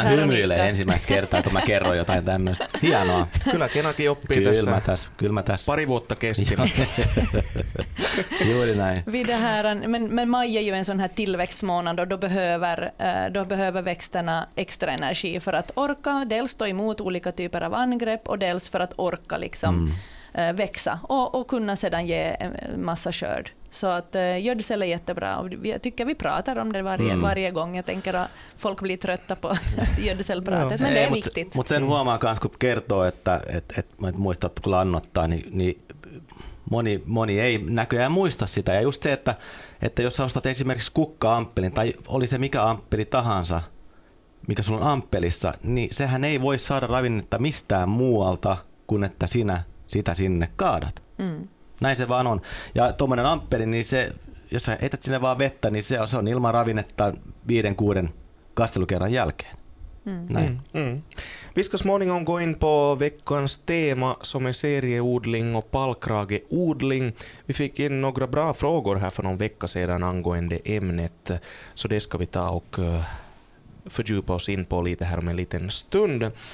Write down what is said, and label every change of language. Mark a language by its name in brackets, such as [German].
[Finnish] hymyilee ensimmäistä kertaa, kun mä kerron jotain tämmöistä. Hienoa. Kyllä Kenakin oppii tässä. Kyllä mä tässä. Pari vuotta kesti. Juuri näin. [Swedish] Men maj är ju en sån här tillväxtmånad och då behöver växterna extra energi för att orka dels stå emot olika typer av angrepp och dels för att orka liksom växa och kunna sedan ge en massa skörd. Så att gödsel är jättebra. Jag tycker vi pratar om det varje gång. Jag tänker att folk blir trötta på gödselpratet, men det är viktigt. [Finnish] Mutta sen huomaa kans, kun kertoo, että muistat, kun lannottaa, niin moni ei näköjään muista sitä. Ja just se, että jos sä ostat esimerkiksi kukka-amppelin, tai oli se mikä amppeli tahansa, mikä sulla on amppelissa, niin sehän ei voi saada ravinnetta mistään muualta kuin että sinä sitä sinne kaadat. Mm. Näin se vaan on. Ja tuommoinen amppeli, niin se, jos sä etät sinne vaan vettä, niin se on ilman ravinnetta 5-6 kastelukerran jälkeen. Mm. [Swedish] Viskas morning on gå in på veckans tema som är serieodling och pallkrageodling. Vi fick in några bra frågor här för någon vecka sedan angående ämnet. Så det ska vi ta och fördjupa oss in på lite här om en liten stund.